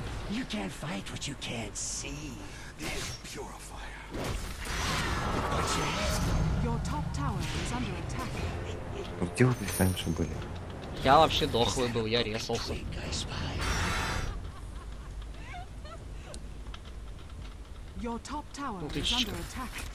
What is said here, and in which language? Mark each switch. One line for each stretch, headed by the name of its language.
English: You can't fight what you can't see. This purifier. But yes, your top tower is under attack.
Russian: Где вы раньше были? Я вообще дохлый был, я резался.
English: Your top tower is under attack.